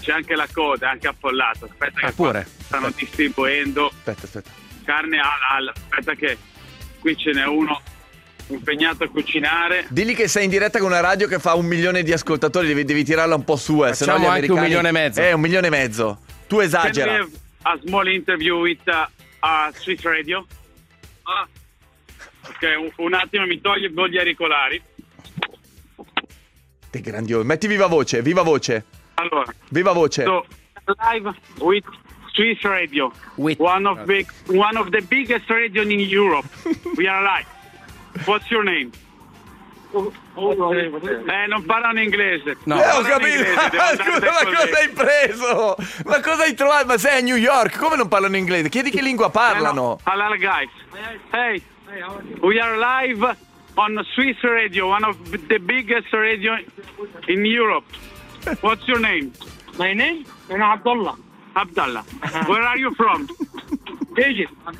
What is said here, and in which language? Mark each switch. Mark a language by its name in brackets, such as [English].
[Italian] C'è anche la coda, anche affollata. Aspetta che pure. Stanno distribuendo... Aspetta. Carne al... Aspetta che qui ce n'è uno impegnato a cucinare. Dilli che sei in diretta con una radio che fa 1 milione di ascoltatori, devi tirarla un po' su, facciamo, sennò gli americani... anche 1,5 milioni. Un milione e mezzo. Tu esagera. [English] A small interview with Swiss Radio. [Italian] Ok, un attimo, mi toglio gli auricolari. Che grandioso. Metti viva voce. Allora, viva voce. [English] So, live with Swiss Radio. One of the biggest radio in Europe. We are live. What's your name? [Italian] Non parlano inglese. No, ho capito. Scusa, ma cosa hai preso? Ma cosa hai trovato? Ma sei a New York? Come non parlano inglese? Chiedi che lingua parlano. [English] Allora, guys, hey, we are live on Swiss Radio, one of the biggest radio in Europe. What's your name? My name is Abdallah. Where are you from? Egypt.